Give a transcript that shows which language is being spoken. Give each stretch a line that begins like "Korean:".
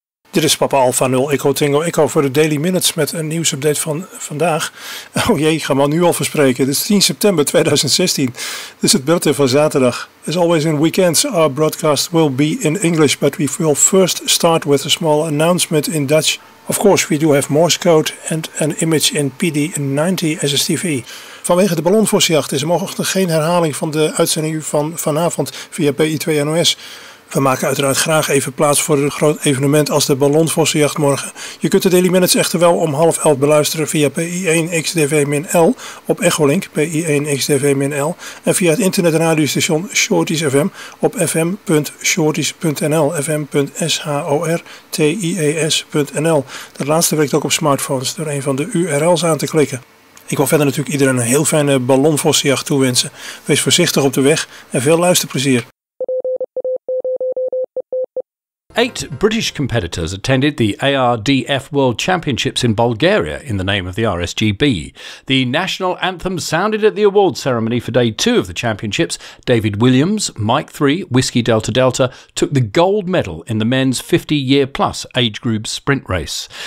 Dutch: Dit is Papa Alpha 0 Echo Tango Echo voor de Daily Minutes met een nieuwsupdate van vandaag. Oh jee, ik ga maar nu al verspreken. Het is 10 september 2016. Dit is het bulletin van zaterdag.
English: As always in weekends, our broadcast will be in English, but we will first start with a small announcement in Dutch. Of course, we do have Morse code and an image in PD90 SSTV.
Dutch: Vanwege de ballonvossenjacht is er mogelijk geen herhaling van de uitzending van vanavond via PI2 NOS. We maken uiteraard graag even plaats voor een groot evenement als de ballonvossenjacht morgen. Je kunt de Daily Minutes echter wel om 10:30 beluisteren via PI1XDV-L op Echolink, PI1XDV-L. En via het internetradiostation Shorties FM op fm.shorties.nl, fm.shortiees.nl. Dat laatste werkt ook op smartphones door een van de URL's aan te klikken. Ik wil verder natuurlijk iedereen een heel fijne ballonvossenjacht toewensen. Wees voorzichtig op de weg en veel luisterplezier.
English: 8 British competitors attended the ARDF World Championships in Bulgaria in the name of the RSGB. The national anthem sounded at the award ceremony for day 2 of the championships. David Williams, Mike 3, Whiskey Delta Delta, took the gold medal in the men's 50-year-plus age group sprint race.